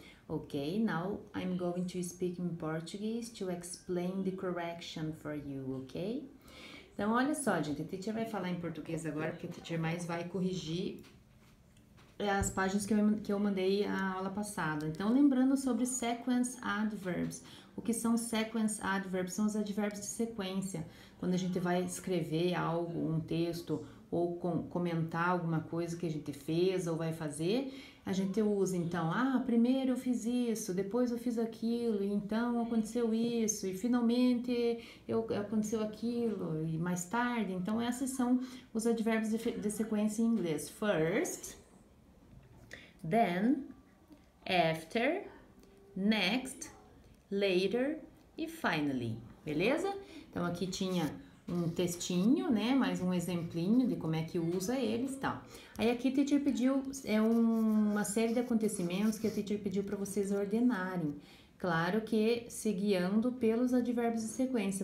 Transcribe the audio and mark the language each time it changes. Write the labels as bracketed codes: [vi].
[en] Okay, now I'm going to speak in Portuguese to explain the correction for you, okay? [pt] Então, olha só, gente. A teacher vai falar em português agora, porque a teacher mais vai corrigir as páginas que eu mandei a aula passada. Então, lembrando sobre sequence adverbs. O que são sequence adverbs? São os advérbios de sequência. Quando a gente vai escrever algo, um texto, ou comentar alguma coisa que a gente fez ou vai fazer, a gente usa, então, ah, primeiro eu fiz isso, depois eu fiz aquilo, então aconteceu isso, e finalmente aconteceu aquilo, e mais tarde. Então, esses são os advérbios de sequência em inglês. [en] First, then, after, next, later e finally, beleza? [pt] Então, aqui tinha um textinho, né? Mais um exemplinho de como é que usa eles, tá? Aí aqui a teacher pediu, é uma série de acontecimentos que a teacher pediu para vocês ordenarem. Claro que se guiando pelos advérbios de sequência.